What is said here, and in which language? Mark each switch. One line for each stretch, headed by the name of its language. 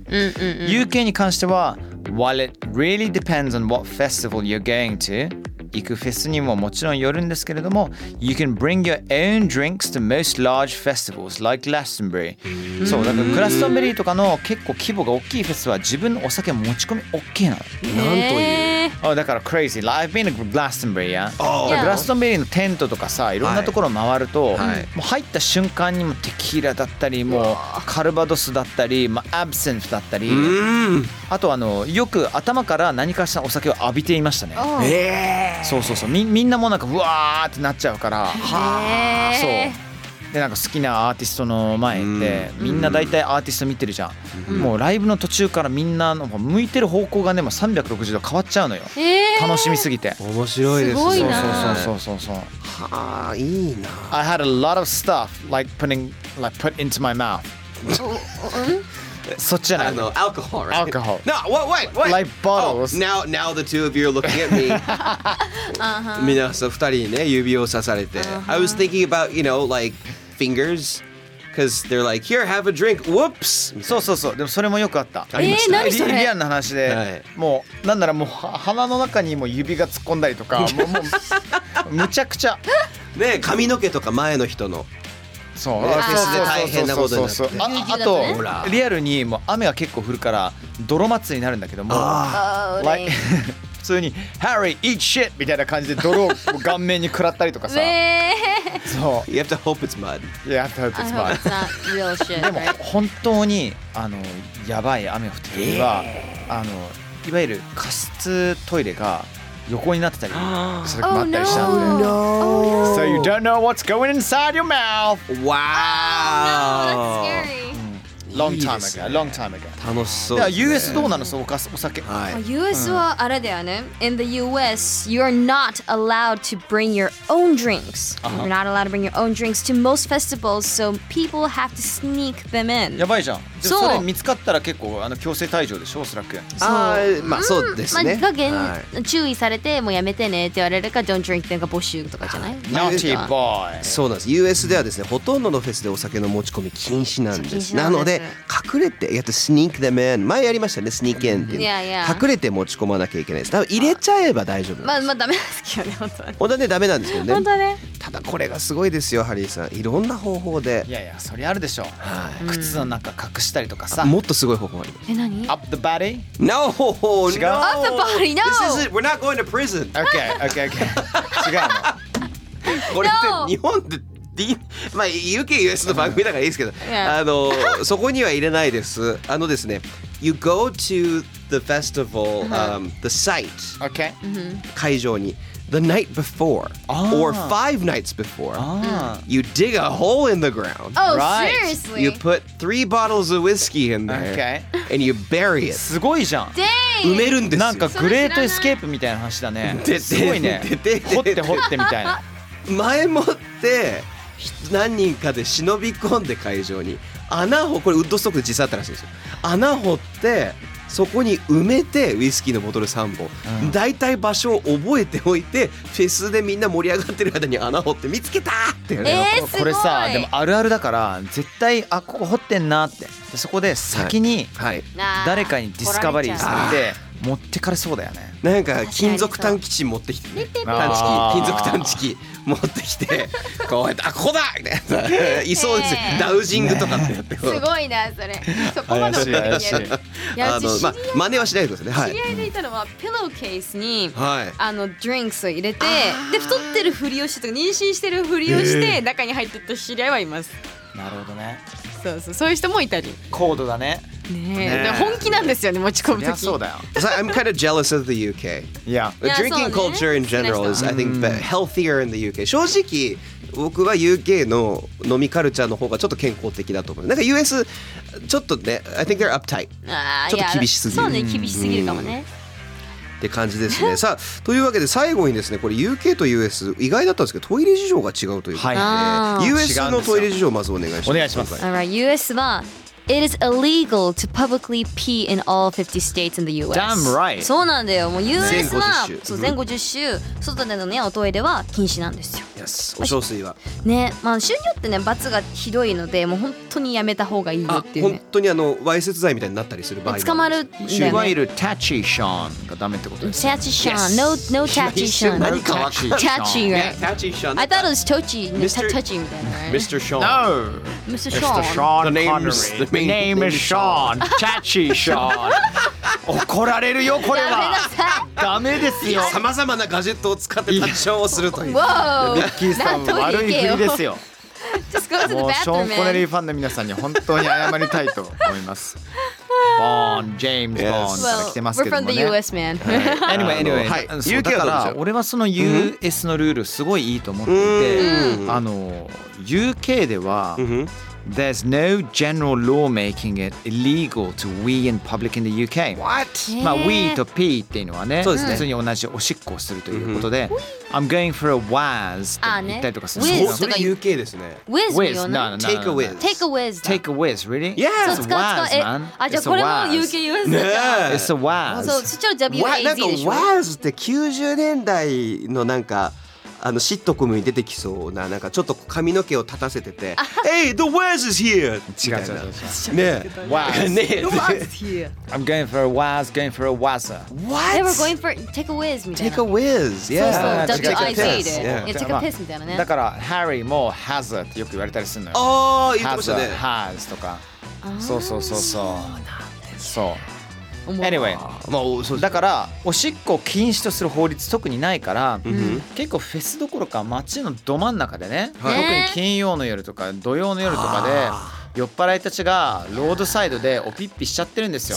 Japanese: UK に関しては
English: While it really depends on what festival you're going to、
Japanese: 行くフェスにももちろんよるんですけれども、
English: You can bring your own drinks to most large festivals like Glastonbury。
Japanese: そう、だからグラストンベリーとかの結構規模が大きいフェスは自分のお酒持ち込み OK なの。なんという。だから crazy。
English: I've been to Glastonbury や。
Japanese: ああ。グラストンベリーのテントとかさ、いろんなところ回ると、はい、もう入った瞬間にもテキーラだったり、もうカルバドスだったり、まあアブセンスだったり。あとあのよく頭から何かしらお酒を浴びていましたね。そうそうそう、みんなもなんかうわーってなっちゃうから、はー、そうで、なんか好きなアーティストの前ってみんな大体アーティスト見てるじゃん、うん、もうライブの途中からみんな向いてる方向がね、もう360度変わっちゃうのよ、楽しみすぎて。面白いですね。そうそうそうそうそう、はー、いいな。
English: I had a lot of stuff like putting like put into my mouth。
Japanese: そっちじゃない。
English: Alcohol, right? Alcohol. No, what, what, what? Like bottles.、 Oh, now the two of you are looking at me.
Japanese: 皆さん二人にね、指を刺されて。
English: I was thinking about, you know, like, fingers. Because they're like, here, have a drink. Whoops!
Japanese: そうそうそう。でもそれもよくあった。ありました。何それ？リアンの話で、はい、もう、なんならもう鼻の中にも指が突っ込んだりとか、もうむちゃくちゃ。ね、髪の毛とか前の人の。そう、フェスで大変なことになって、あとリアルにもう雨が結構降るから泥祭りになるんだけども、あ、普通に
English: Harry eat shit
Japanese: みたいな感じで泥を顔面に食らったりとかさ、そう、
English: You have to hope it's mud。 You have to hope it's mud。 I hope it's not real shit。
Japanese: でも本当にあのやばい雨が降ってる時は、あのいわゆる加湿トイレが横になってたり、それ待ったりしたんで、
English: oh, no. Oh, no. So you don't know what's going inside your mouth. Wow. Oh, no, that's scary. A long time ago. Long time ago.
Japanese: 楽しそうですね。 US どうなのそのお酒。はい。US はあれだよね。
English: In the US, you are not allowed to bring your own drinks. You're not allowed to bring your own drinks to most festivals, so people have to sneak them in.
Japanese: やばいじゃん。そう。それ見つかったら結構あの強制退場でしょ、おそらく。ああ、まあそうですね。まあ、注意されてもうやめてねって言われるか、
English: don't drink
Japanese: なんか募集とかじゃない
English: ？Naughty boy。
Japanese: そうなんです。 US ではですね、ほとんどのフェスでお酒の持ち込み禁止なんです。なので隠れてやって
English: sneak them in。
Japanese: 前やりましたね、sneak in っていう。いやいや。隠れて持ち込まなきゃいけないです。多分入れちゃえば大丈夫なんです。まあまあダメですけどね、本当に。本当ね、ダメなんですよね。本当ね。ただこれがすごいですよ、ハリーさん。いろんな方法で。いやいや、それあるでしょう。はい。靴の中隠したりとかさ。もっとすごい方法あります。え、何？
English: Up the body？ No！
Japanese: 違う。
English: Up the body！ No！ This is it. We're not going to prison. Okay, okay, okay.
Japanese: 違うの。これって日本で、まあ、UK、US の番組だからいいですけど、あの、そこには入れないです。
English: あのですね、You go to the festival, the site, okay.
Japanese: 会場に、
English: the night before, or five nights before, you dig a hole in the ground. Oh, seriously? You put three bottles of whiskey in there, and you bury it.
Japanese: すごいじゃん。埋めるんですよ。なんかグレートエスケープみたいな話だね。すごいね。掘って掘ってみたいな。前もって何人かで忍び込んで会場に穴掘、これウッドストックで実際あったらしいですよ。穴掘ってそこに埋めてウイスキーのボトル3本、うん、大体場所を覚えておいてフェスでみんな盛り上がってる間に穴掘って見つけたって、ね、すごい。これさ、でもあるあるだから絶対あここ掘ってんなって、でそこで先に、はいはい、誰かにディスカバリーされて持ってかれそうだよね。なんか金属探知機持ってきて、探知機、金属探知機持ってきてこうやってあここだみたいな、いそうですよ。ダウジングとかってやってすごいなそれ。そこまで見える。怪しい怪しい。あの、まあ、真似はしないですね。知り合いでいたのは、ピローケースに、はい、あのドリンクスを入れて、で太ってるふりをしてとか妊娠してるふりをして中に入ってった知り合いはいます。なるほどね。そうそう、そういう人もいたり。高度だね。ねえ、ね、本気なんですよね、持ち込むとき。そうだよ。
English: So, I'm kind of jealous of the UK. Yeah. Drinking culture in general is, I think, healthier in the UK.
Japanese: 正直、僕は UK の飲みカルチャーの方がちょっと健康的だと思う。なんか US、ちょっとね、
English: I think they're uptight.
Japanese: ちょっと厳しすぎる。そうね、厳しすぎるかもね。って感じですね。さあ、というわけで最後にですね、これ UK と US、意外だったんですけど、トイレ事情が違うというか、はい、US のトイレ事情をまずお願いします。お願いします。
English: All right,
Japanese: US は、
English: It is illegal to publicly pee in all 50 states in the US. Damn right.
Japanese: そうなんだよ。もう US は、そう、全50州、外でのね、おトイレは禁止なんですよ。
English: Yes.
Japanese: お小水は。ね、まあ州によってね、罰がひどいので、もう本当にやめた方がいいよっていうね。本当にあの、わいせつ罪みたいになったりする場合も。捕まるんだよね。いわゆるタッチーショーンがダメってことですね。タッチーショーン。
English: Yes. No, no タッチーショーン。
Japanese: 何かわかる。タッチー、
English: right?
Japanese: タッチーショーン。
English: I thought it was touchy. Mr.
Japanese: Touchy みたいな。
English: Mr. Sean. No. Mr. Sean. Mr. Sean Connery. The name's the My name is Sean.
Japanese: Chachi Sean. 怒られるよこれは。ダメですよ。さまざまなガジェットを使ってタッチをするという。ミッキーさん悪い振りですよ。
English: Just go to the bathroom, man.
Japanese: ショーン・コネリーファンの皆さんに本当に謝りたいと思います。ボーン、ジェームズ・ボーンから来てますけどもね。
English: Well, we're from the US, man. Anyway, anyway.
Japanese: はい。そうだから、俺はその US のルールすごいいいと思っていて、あの UK では。
English: There's no general law making it illegal to wee in public in the UK. What?
Japanese: まあ、wee と pee っていうのはね、そうですね、普通に同じおしっこをするということで、
English: I'm going for a whiz
Japanese: って言ったりとかする。
English: whiz
Japanese: とか UK ですね。 whiz って言う
English: の？take a whiz。 take a whiz。 take a whiz、really？ Yeah。 It's a whiz, man。
Japanese: あ、じゃあこれも UK US だ。
English: It's a whiz。
Japanese: そう、そちら WAZ でしょ。なんか whiz って90年代のなんか。あのシットコムに出てきそうな、なんかちょっと髪の毛を立たせてて、
English: Hey, the Waz is here!
Japanese: 違う、ね、
English: Waz The Waz is here! I'm going for a Waz, going for a Wazza What? They were going for, take a whiz みたいな Take a whiz, yeah
Japanese: そうそう、W-I-Z で
English: Take a piss
Japanese: みたいなねだから、Harry も Haz ってよく言われたりするのよおー、言ってましたね Haz とかそうそうそうそうそう
English: Anyway,
Japanese: まあ、そうだからおしっこを禁止とする法律特にないから、うん、結構フェスどころか街のど真ん中でね、はい、特に金曜の夜とか土曜の夜とかで酔っ払いたちがロードサイドでおピッピしちゃってるんですよ。